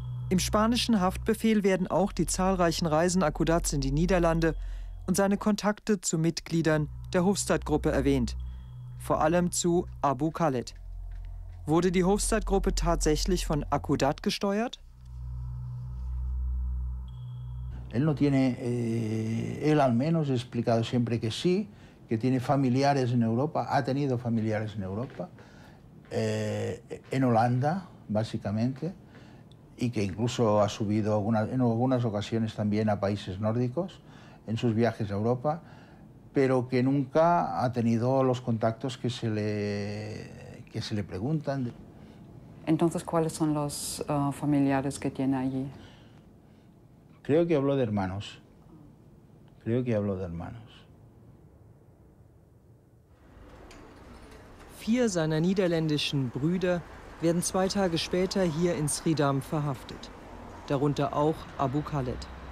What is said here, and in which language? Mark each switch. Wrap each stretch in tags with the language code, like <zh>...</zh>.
<de>Im spanischen Haftbefehl werden auch die zahlreichen Reisen Akudats in die Niederlande und seine Kontakte zu Mitgliedern der Hofstadt-Gruppe erwähnt, vor allem zu Abu Khaled. Wurde die Hofstadt-Gruppe tatsächlich von Akudat gesteuert?</de> <es>Él no tiene, él al menos ha explicado siempre que sí, que tiene familiares en Europa, ha tenido familiares en Europa, en Holanda, básicamente, y que incluso ha subido en algunas ocasiones también a países nórdicos en sus viajes a Europa, pero que nunca ha tenido los contactos que se le preguntan. Entonces, ¿cuáles son los familiares que tiene allí? Creo que habló de hermanos. Creo que habló de hermanos.</es> <de>4 seiner niederländischen Brüder werden 2 Tage später hier in Schiedam verhaftet. Darunter auch Abu Khaled.</de>